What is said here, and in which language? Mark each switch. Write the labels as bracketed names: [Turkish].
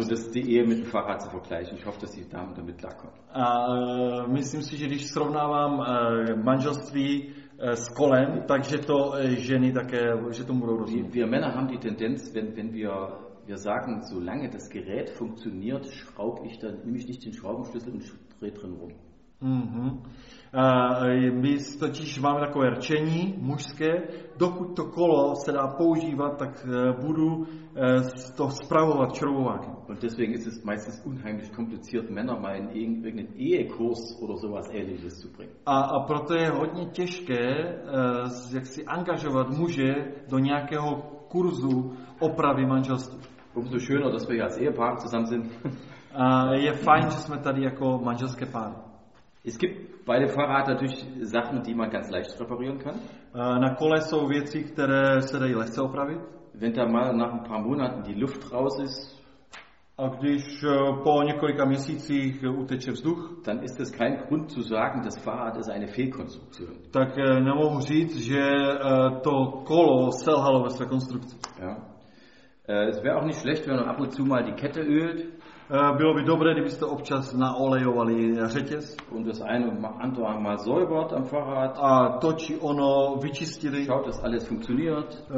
[German] Also das die Ehe mit dem Fahrrad zu vergleichen. Ich hoffe, dass die Damen damit klarkommen. [Czech] A myslím si, že když srovnávám manželství s kolem, takže to ženy také, že tomu budou rozumět. [German] Wir Männer haben die Tendenz, wenn wir sagen, solange das Gerät funktioniert, schraub ich dann nämlich nicht den Schraubenschlüssel und dreh drin rum. Mm-hmm. [Czech] My totiž máme takové rčení mužské, dokud to kolo se dá používat, tak budu to spravovat šroubováky. [German] Und deswegen ist es meistens unheimlich kompliziert, Männer mal in irgendeinen Ehekurs oder sowas ähnliches zu bringen. [Czech] A proto je hodně těžké jaksi angažovat muže do nějakého kurzu opravy manželství. [German] Umso schöner, dass wir als Ehepaar zusammen sind. [Czech] Je fajn, že jsme tady jako manželské pár. [German] Es gibt bei dem Fahrrad natürlich Sachen, die man ganz leicht reparieren kann. [Czech] Na kole jsou věci, které se dají lehce opravit. [German] Wenn da mal nach ein paar Monaten die Luft raus ist. [Czech] A když po několika měsících uteče vzduch. [German] Dann ist es kein Grund zu sagen, das Fahrrad ist eine Fehlkonstruktion. [Czech] Tak nemohu říct, že to kolo selhalo ve své konstrukci. [German] Ja. Es wäre auch nicht schlecht, wenn man ab und zu mal die Kette ölt. [Czech] Bylo by dobré, kdybyste občas naolejovali řetěz. [German] Und das eine andere mal säubert am Fahrrad. [Czech] A to či ono vyčistili. [German] Schaut, dass alles funktioniert.